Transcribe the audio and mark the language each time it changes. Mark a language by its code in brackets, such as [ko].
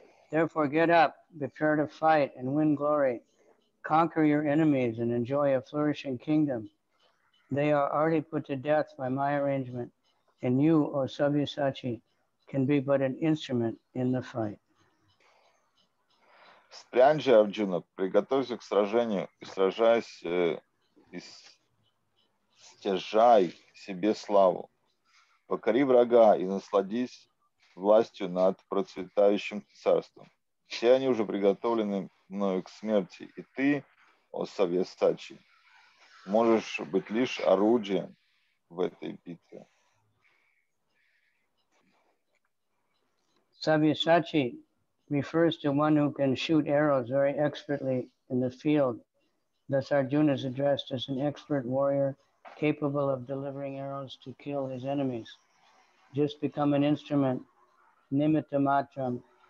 [en] Therefore get up, prepare to fight and win glory. conquer your enemies and enjoy a flourishing kingdom. They are already put to death by my arrangement, and you, O Sabyasachi, can be but an instrument in the fight. [ru] Спрянь же, Арджуна, приготовься к сражению и сражаясь, стяжай себе славу. Покори врага и насладись властью над процветающим царством. Все они уже приготовлены мною к смерти, и ты, о Савьясачи, можешь быть лишь орудием в этой битве. [en] Савьясачи refers to one who can shoot arrows very expertly in the field. Thus Arjuna is addressed as an expert warrior capable of delivering arrows to kill his enemies. Just become an instrument, [sa] nimitta matram.